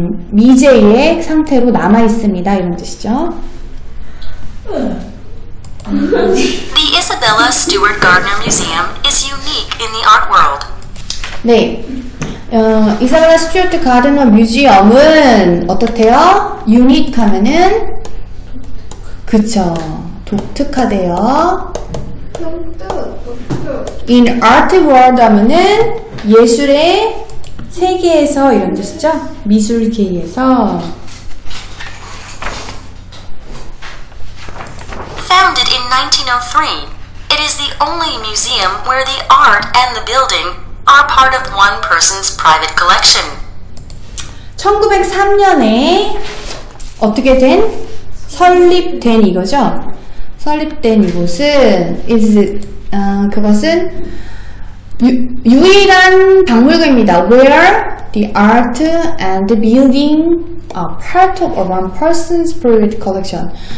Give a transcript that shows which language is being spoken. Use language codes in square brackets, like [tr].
[ko] 미제의 상태로 남아있습니다. 이런 뜻이죠. [en] The Isabella Stewart Gardner Museum is unique in the art world. [ko] 네. 이사벨라 스튜어트 가드너 뮤지엄은 어떻대요? 유닛 하면은 그쵸 독특하대요. 독특. [en] In art world [ko] 하면은 예술의 세계에서 이런 뜻이죠. 미술계에서. [en] Founded in 1903, it is the only museum where the art and the building are part of one person's private collection. [ko] 1903년에 어떻게 된? 설립된 이거죠. 설립된 이곳은 그것은 유일한 박물관입니다. [en] Where the art and the building are part of one person's private collection.